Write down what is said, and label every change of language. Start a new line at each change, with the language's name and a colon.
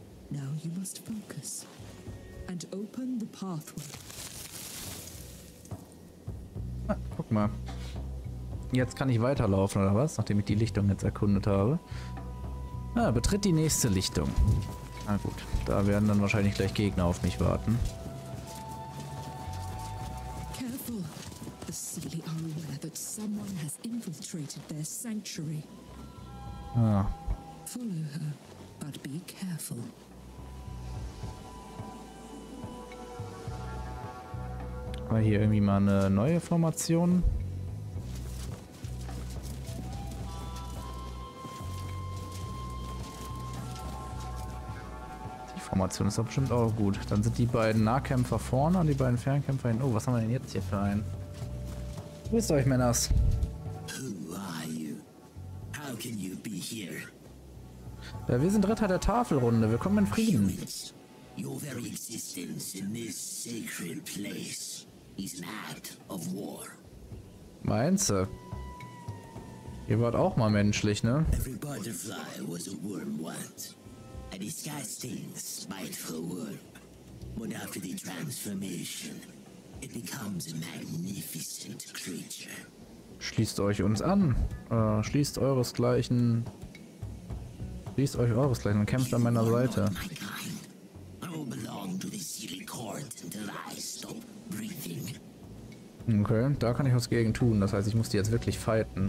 English: Now you must focus and open the pathway.
German: Ah, guck mal. Jetzt kann ich weiterlaufen, oder was? Nachdem ich die Lichtung jetzt erkundet habe. Ah, betritt die nächste Lichtung. Na gut, da werden dann wahrscheinlich gleich Gegner auf mich warten.
English: Careful. The Sealy are aware that someone has infiltrated their sanctuary. Ah. Follow her. But be careful.
German: War hier irgendwie mal eine neue Formation? Die Formation ist doch bestimmt auch gut. Dann sind die beiden Nahkämpfer vorne und die beiden Fernkämpfer hinten. Oh, was haben wir denn jetzt hier für einen? Grüßt euch, Männers.
English: Who are you? How can you be here?
German: Ja, wir sind Ritter der Tafelrunde, wir kommen in Frieden.
English: Your very existence in this sacred place is an act of war.
German: Meinst du? Ihr wart auch mal menschlich, ne?
English: Every butterfly was a worm once. A disgusting, spiteful worm. But after the transformation, it becomes a magnificent creature.
German: Schließt euch uns an. Schließt euresgleichen. Schließt euch euresgleichen und kämpft an meiner Seite. Okay, da kann ich was gegen tun. Das heißt, ich muss die jetzt wirklich fighten.